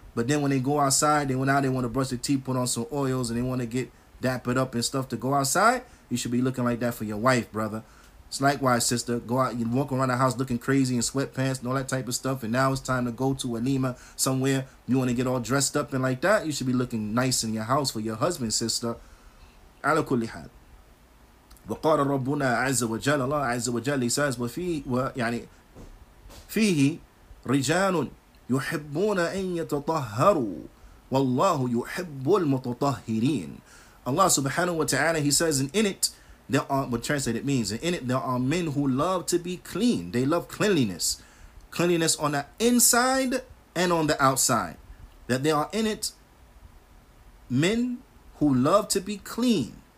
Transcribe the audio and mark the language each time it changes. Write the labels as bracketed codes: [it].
[en] But then when they go outside, they went out, they want to brush their teeth, put on some oils, and they want to get dappered up and stuff to go outside. You should be looking like that for your wife, brother. It's likewise, sister. Go out, you walk around the house looking crazy in sweatpants and all that type of stuff, and now it's time to go to Walima somewhere. You want to get all dressed up and like that. You should be looking nice in your house for your husband, sister. [ar] Ala kulli hal. وقال ربنا عز وجل الله عز وجل [en] he says [ar] فيه رجال يحبون أن يتطهروا والله يحب المتطهرين. [en] Allah subhanahu wa ta'ala, he says, and in it, there are, what translated means, and in it, there are men who love to be clean. They love cleanliness. Cleanliness on the inside and on the outside. That there are in it men who love to be clean.